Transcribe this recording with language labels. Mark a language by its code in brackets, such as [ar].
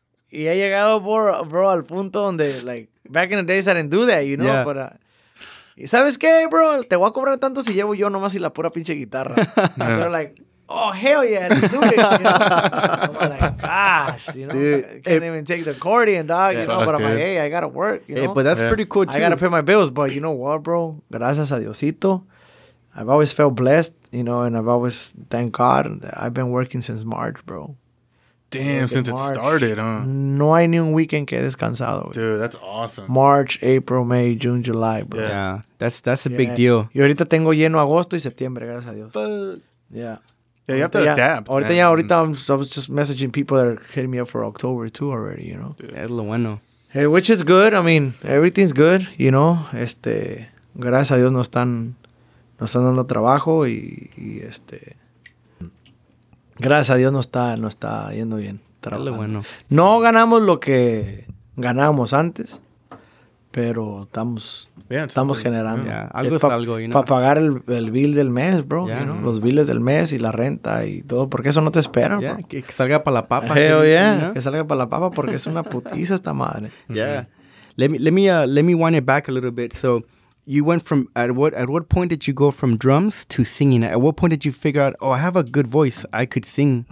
[es] Y he llegado, bro, al punto donde, [en] like, back in the days I didn't do that, you know? Yeah. But, [es] ¿y sabes qué, bro? Te voy a cobrar tanto si llevo yo nomás y la pura pinche guitarra. [en] Yeah. They're like, oh, hell yeah, let's do it. You know? I'm like, gosh, you know? Dude, I can't even take the accordion, dog. Yeah. You know, but dude, I'm like, hey, I gotta work, you know? Hey, but that's pretty cool, too. I gotta pay my bills, but you know what, bro? [es] Gracias a Diosito. [en] I've always felt blessed, you know, and I've always, thank God, I've been working since March, bro. Damn, like since it started, huh? [es] No hay ni un weekend que he descansado. [en] Dude, that's awesome. March, April, May, June, July, bro. Yeah, that's a big deal. [es] Y ahorita tengo lleno agosto y septiembre, gracias a Dios. [en] Yeah, [es] ahorita [en] you have to adapt. I was just messaging people that are hitting me up for October too already, you know? [es] Dude. Es lo bueno. [en] Hey, which is good. I mean, everything's good, you know? [es] Este, gracias a Dios nos están dando trabajo y gracias a Dios no está yendo bien. Dale, bueno. No ganamos lo que ganábamos antes, pero estamos generando. Yeah, algo es algo, [en] you know? [es] Para pagar el bill del mes, bro. [en] Yeah, you know? [es] Los biles del mes y la renta y todo, porque eso no te espera, bro. Yeah, que salga para la papa. Que salga para la papa porque es una putiza esta madre. [en] Yeah. Let me wind it back a little bit. So, you went from, at what point did you go from drums to singing? At what point did you figure out, oh, I have a good voice, I could sing?